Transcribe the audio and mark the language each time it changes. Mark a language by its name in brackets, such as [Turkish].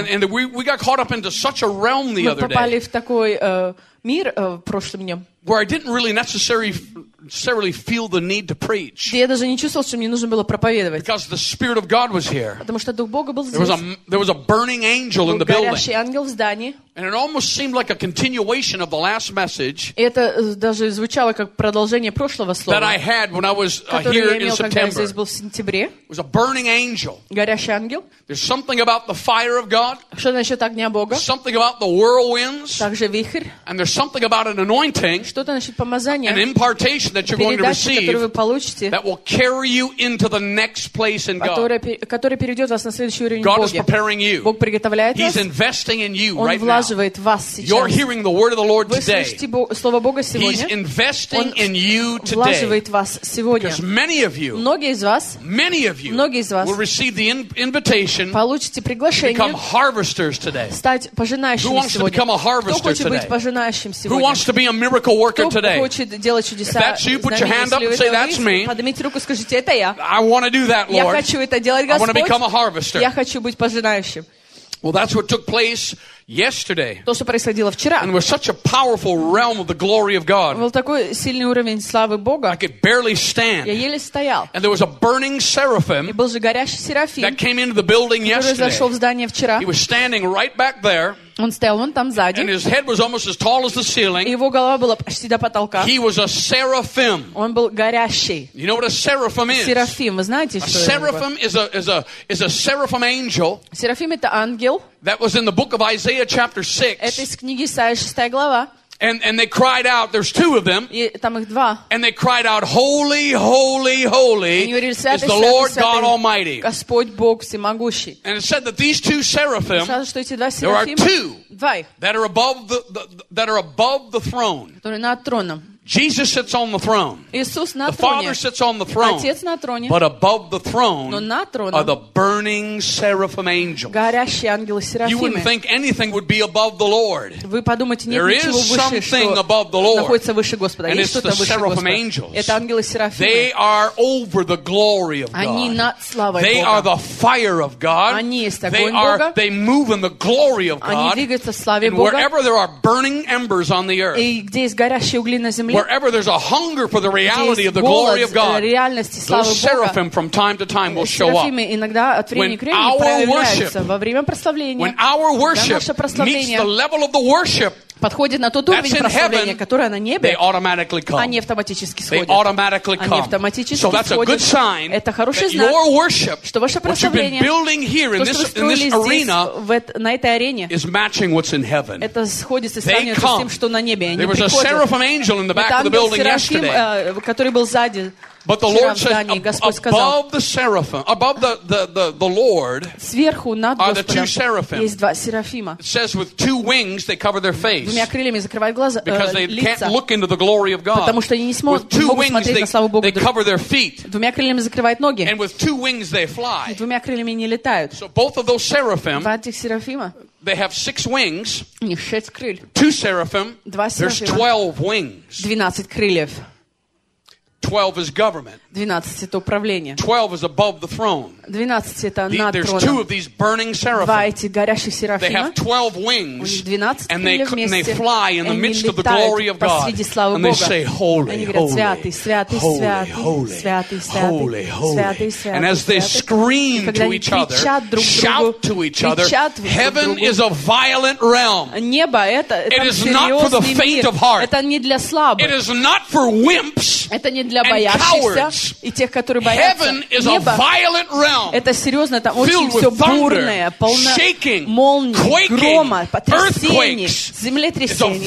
[English] And we got caught up into such a realm the other day. [Russian] Мы попали в такой мир в прошлом дне. [English] Where I didn't really necessarily feel the need to preach. [Russian] Я даже не чувствовал, что мне нужно было проповедовать. [English] Because the spirit of God was here. [Russian] Потому что дух Бога был здесь. [English] There was a burning angel in the building. [Russian] Горящий ангел в здании. [English] And it almost seemed like a continuation of the last message. [Russian] Это даже звучало как продолжение прошлого слова. [English] That I had when I was here in September. [Russian] Который я имел, когда здесь был в сентябре. [English] It was a burning angel. [Russian] Горящий ангел. [English] There's something about the fire of God. [Russian] Что насчет огня Бога? [English] Something about the whirlwinds. [Russian] Также вихрь. [English] And there's something about an anointing. [Russian] Что-то насчет помазания. [English] An impartation that you're going to receive. [Russian] Передача, которую вы получите. [English] That will carry you into the next place in God. [Russian] Которая переведет вас на следующий уровень Бога. [English] God is preparing you. [Russian] Бог приготовляет вас. [English] He's investing in you right now. You're hearing the word of the Lord today. [Russian] Вы слышите слово Бога сегодня. [English] He's investing in you today. [Russian] Он вкладывает вас сегодня. [English] Because many of you, [Russian] многие из вас, [English] will receive the invitation. [Russian] Получите приглашение. [English] Become harvesters today. [Russian] Стать пожинающими сегодня. [English] Who wants to become a harvester today? [Russian] Кто хочет быть пожинающим сегодня? [English] Who wants to be a miracle worker today? [Russian] Кто хочет делать чудеса? [English] If that's you, put your hand up and say that's me. [Russian] Поднимите руку, скажите это я. [English] I want to do that, Lord. [Russian] Я хочу это делать, Господь. [English] I want to become a harvester. [Russian] Я хочу быть пожинающим. [English] Well, that's what took place yesterday, [Russian] то, что происходило вчера, [English] and was such a powerful realm of the glory of God, [Russian] был такой сильный уровень славы Бога, [English] I could barely stand, [Russian] я еле стоял, [English] and there was a burning seraphim, [Russian] и был же горящий серафим, [English] that came into the building yesterday, [Russian] который зашел в здание вчера, [English] he was standing right back there. [Russian] Он стоял вон там сзади. [English] And his head was almost as tall as the ceiling. [Russian] Его голова была почти до потолка. [English] He was a seraphim. [Russian] Он был горящий. [English] You know what a seraphim is? [Russian] Серафим, вы знаете, что это? [English] A seraphim is a seraphim angel. [Russian] Серафим это ангел. [English] That was in the book of Isaiah chapter 6. [Russian] Это из книги Исаия, 6 глава. [English] And they cried out, there's two of them. [Russian] Там их два. [English] And they cried out, holy, holy, holy is the Lord God Almighty. [Russian] Господь Бог всемогущий. [English] And it said that these two seraphim, there are two that are above the throne. [Russian] Которые над троном. [English] Jesus sits on the throne. [Russian] Иисус на троне. [English] The Father sits on the throne. [Russian] Отец на троне. [English] But above the throne are the burning seraphim angels. [Russian] Горящие ангелы серафимы. [English] You wouldn't think anything would be above the Lord. [Russian] Вы подумайте, нет ничего выше, что [English] something above the Lord. [Russian] Находится выше Господа. [English] And it's the seraphim angels. [Russian] Это ангелы серафимы. [English] They are over the glory of God. [Russian] Они над славой Бога. [English] They are the fire of God. [Russian] Они есть огонь Бога. [English] They move in the glory of God. [Russian] Они двигаются в славе [English] and [Russian] Бога. [English] Wherever there are burning embers on the earth. [Russian] И где есть горящие угли на земле. [English] Wherever there's a hunger for the reality of the glory of God, those seraphim from time to time will show up. When our worship meets the level of the worship [Russian] подходит на тот уровень прославления, которое на небе, они автоматически сходят. Они автоматически сходят. Это хороший знак, что ваше прославление, то, что вы строили здесь, на этой арене, это сходится с тем, что на небе. Они приходят. Это ангел Серафим, который был сзади. [English] But the Lord says, above the seraphim, above the Lord, [Russian] сверху над Господом, [English] are the two seraphim. [Russian] Есть два серафима. [English] It says, with two wings they cover their face. [Russian] Двумя крыльями закрывают глаза, [English] because they [Russian] лица. [English] Can't look into the glory of God. [Russian] Потому что они не смогут смотреть на славу Богу. [English] They cover their feet. [Russian] Двумя крыльями закрывают ноги. [English] And with two wings they fly. [Russian] И двумя крыльями они летают. [English] So both of those seraphim. [Russian] Два этих серафима. [English] They have six wings. [Russian] У них шесть крыль. [English] Two seraphim. [Russian] Два серафима. [English] There's 12 wings. [Russian] 12 крыльев. [English] 12 is government. [Russian] 12 это управление. [English] 12 is above the throne. [Russian] 12 это над троном. [English] There's two of these burning seraphim. [Russian] Два этих горящих серафима. [English] They have 12 wings. 12 and they fly in the midst of the glory of God. [Russian] Посреди славы Бога. [English] And they say, holy, holy, [Russian] святый, святый, святый, святый, [English] holy, holy. And as they scream to each other, shout to each other, heaven is a violent realm. [Russian] Небо это серьезный мир. [English] It is not for the faint of heart. [Russian] Это не для слабых. [English] It is not for wimps. [Russian] Это не для боящихся и тех, которые боятся. Небо — это серьезно, там очень все бурное, полно молний, грома, потрясений, землетрясений.